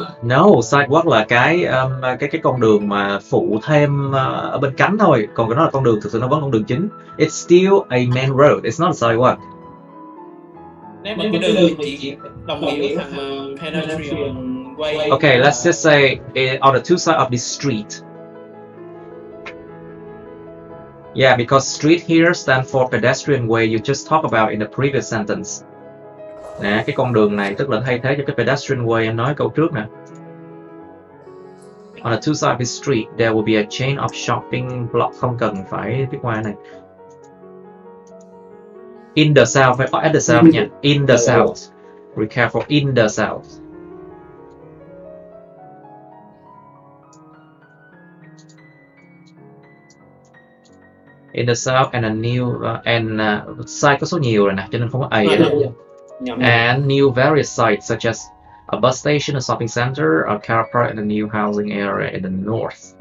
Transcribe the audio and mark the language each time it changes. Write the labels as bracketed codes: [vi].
[vi] No, sidewalk là cái con đường mà phụ thêm ở bên cạnh thôi. Còn cái đó là con đường, thực sự nó vẫn con đường chính. [en] It's still a main road, it's not a sidewalk. [vi] Nếu mà cái đường đường thì chỉ đồng nghĩa với thằng pedestrian way. [en] Okay, let's just say it on the two sides of the street. Yeah, because street here stands for pedestrian way you just talked about in the previous sentence. [vi] Nè, cái con đường này tức là thay thế cho cái pedestrian way em nói câu trước nè. [en] On the two sides of the street, there will be a chain of shopping block. [vi] Không cần phải viết ngoài này. [en] In the south, [vi] phải có [en] at the south nha. In the south. Be careful, in the south. In the south and a new and site [vi] có số nhiều rồi nè, cho nên không có a rồi. [en] And new various sites such as a bus station, a shopping center, a car park, and a new housing area in the north.